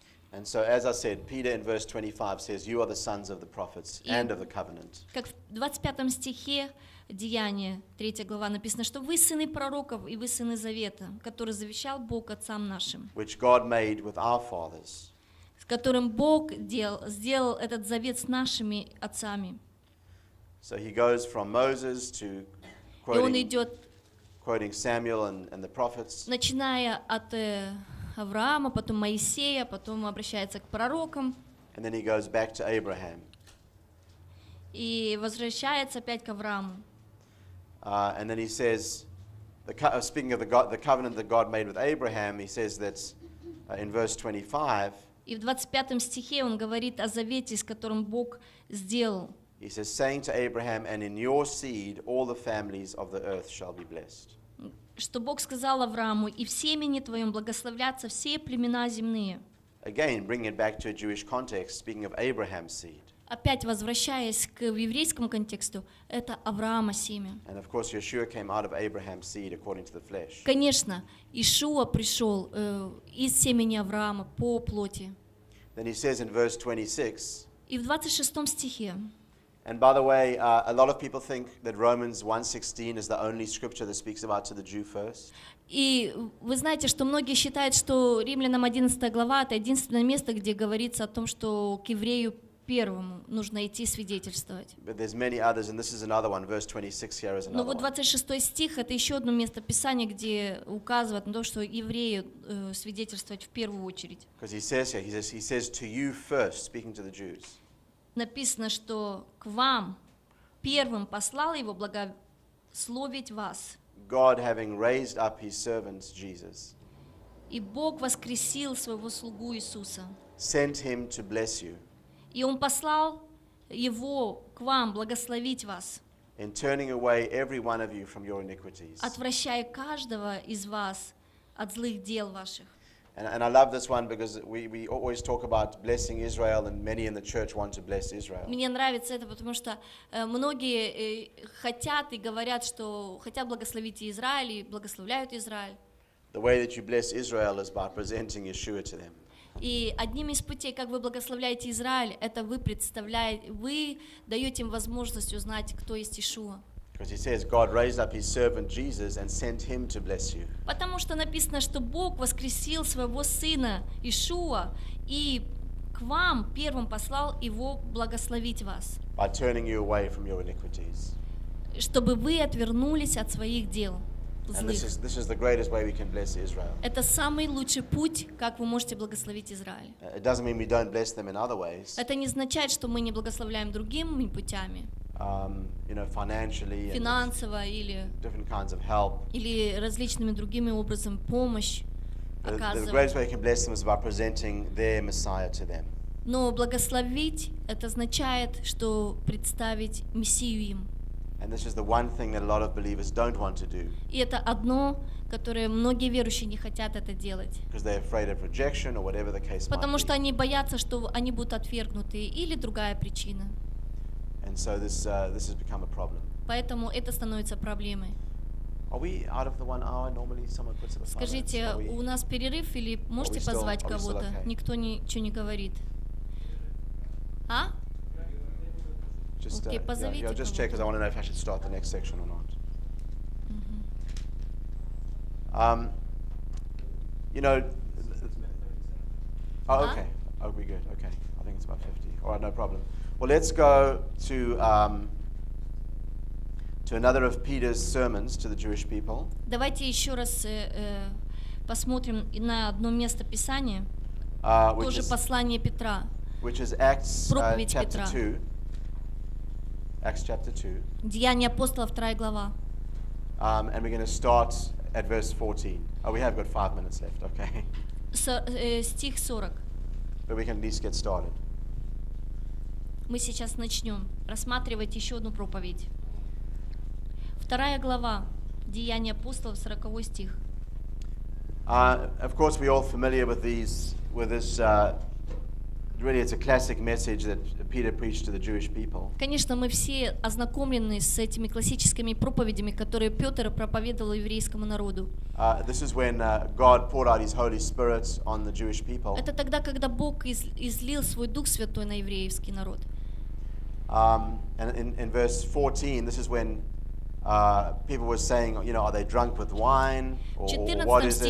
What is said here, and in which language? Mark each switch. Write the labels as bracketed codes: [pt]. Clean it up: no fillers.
[en] And so, as I said, Peter in verse 25 says, "You are the sons of the prophets and of the covenant." [ru] Как в 25 стихе Деяния, 3 глава, написано, что вы сыны пророков и вы сыны завета, который завещал Бог отцам нашим. [en] Which God made with our fathers. [ru] Которым Бог сделал этот завет с нашими отцами. [en] So he goes from Moses to quoting Samuel and the prophets. [ru] Начиная от Авраама, потом Моисея, потом обращается к пророкам. [en] And then he goes back to Abraham. [ru] И возвращается опять к Аврааму. [en] And then he says, speaking of the covenant that God made with Abraham, he says that in verse 25, [ru] и в 25 стихе он говорит о завете, с которым Бог сделал. [en] He says, saying to Abraham, and in your seed all the families of the earth shall be blessed. [ru] Что Бог сказал Аврааму, и в семени твоем благословлятся все племена земные. [en] Again, bringing it back to a Jewish context, speaking of Abraham's seed. [ru] Опять возвращаясь к еврейскому контексту, это Авраама семя. [en] And of course, Yeshua came out of Abraham's seed according to the flesh. [ru] Конечно, Иешуа пришел из семени Авраама по плоти. [en] Then he says in verse 26. [ru] И в 26 стихе. [en] And by the way, a lot of people think that Romans 1:16 is the only scripture that speaks about to the Jew first. [ru] И вы знаете, что многие считают, что Римлянам 11 глава это единственное место, где говорится о том, что к еврею первому нужно идти свидетельствовать. [en] But there's many others, and this is another one. Verse 26 here is another. [ru] Но вот 26 стих это еще одно место Писания, где указывает на то, что еврею свидетельствовать в первую очередь. [en] Because he says here, he says to you first, speaking to the Jews. [ru] Написано, что к вам первым послал его благословить вас. [en] God having raised up his servant Jesus. [ru] И Бог воскресил своего слугу Иисуса. [en] Sent him to bless you. [ru] И он послал его к вам благословить вас. [en] In turning away every one of you from your iniquities. [ru] Отвращая каждого из вас от злых дел ваших. [en] And I love this one because we always talk about blessing Israel, and many in the church want to bless Israel. [ru] Мне нравится это, потому что многие хотят и говорят, что хотят благословить Израиль и благословляют Израиль. [en] The way that you bless Israel is by presenting Yeshua to them. [ru] И одним из путей, как вы благословляете Израиль, это вы представляете, вы даете им возможность узнать, кто есть Иешуа. [en] Because he says God raised up his servant Jesus and sent him to bless you. [ru] Потому что написано, что Бог воскресил своего сына Иешуа и к вам первым послал его благословить вас. [en] By turning you away from your iniquities. [ru] Чтобы вы отвернулись от своих дел. [en] And this is the greatest way we can bless Israel. [ru] Это самый лучший путь, как вы можете благословить Израиль. [en] It doesn't mean we don't bless them in other ways. [ru] Это не означает, что мы не благословляем другими путями. [en] You know, financially, [ru] финансово или [en] different kinds of help. [ru] Или различными другими образами помощь оказывать. [en] The greatest way you can bless them is by presenting their Messiah to them. [ru] Но благословить это означает, что представить Мессию им. [en] And this is the one thing that a lot of believers don't want to do. [ru] И это одно, которое многие верующие не хотят это делать. [en] Because they're afraid of rejection or whatever the case might be. [ru] Потому что они боятся, что они будут отвергнуты или другая причина. [en] And so this has become a problem. [ru] Поэтому это становится проблемой. [en] Are we out of the 1 hour? Normally someone puts up a phone. [ru] Скажите, у нас перерыв или можете позвать кого-то? [en] Okay? [ru] Никто ничего не говорит. А? [en] Just, okay, yeah, I'll just check because I want to know if I should start the next section or not. Mm-hmm. You know, okay. Oh, we're good. Okay. I think it's about 50. All right, no problem. Well, let's go to another of Peter's sermons to the Jewish people. [ru] Давайте еще раз посмотрим на одно место Писания. Тоже послание Петра. [en] Which is Acts chapter 2. Acts chapter 2. [ru] Деяния апостолов, 2 глава. [en] And we're going to start at verse 14. Oh, we have got 5 minutes left, okay. [ru] Стих 40. [en] But we can at least get started. [ru] Мы сейчас начнем рассматривать еще одну проповедь. 2 глава, Деяния апостолов, 40 стих. [en] Of course, we're all familiar with these, with this, really it's a classic message that Peter preached to the Jewish people. [ru] Конечно, мы все ознакомлены с этими классическими проповедями, которые Петр проповедовал еврейскому народу. [en] This is when God poured out his Holy Spirit on the Jewish people. [ru] Это тогда, когда Бог излил свой Дух Святой на еврейский народ. [en] And in verse 14, this is when people were saying, you know, are they drunk with wine or what is it?